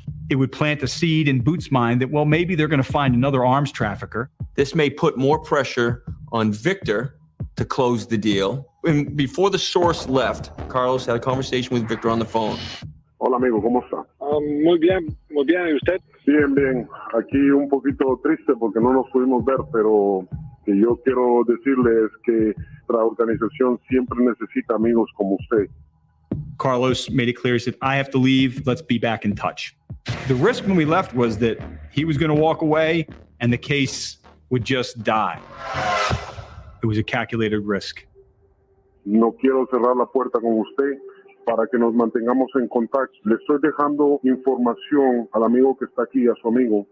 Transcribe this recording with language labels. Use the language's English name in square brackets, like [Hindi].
[English] It would plant a seed in Boot's mind that, well, maybe they're going to find another arms trafficker. This may put more pressure on Viktor to close the deal. And before the source left, Carlos had a conversation with Viktor on the phone. [Spanish] Hola, amigo. ¿Cómo está? Muy bien. Muy bien. ¿Y usted? Bien, bien. Aquí un poquito triste porque no nos pudimos ver, pero que yo quiero decirle es que la organización siempre necesita amigos como usted. [English] Carlos made it clear. He said, I have to leave. Let's be back in touch. The risk when we left was that he was going to walk away and the case would just die. It was a calculated risk. [Spanish] No quiero cerrar la puerta con usted para que nos mantengamos en contacto. Le estoy dejando información al amigo que está aquí, a su amigo.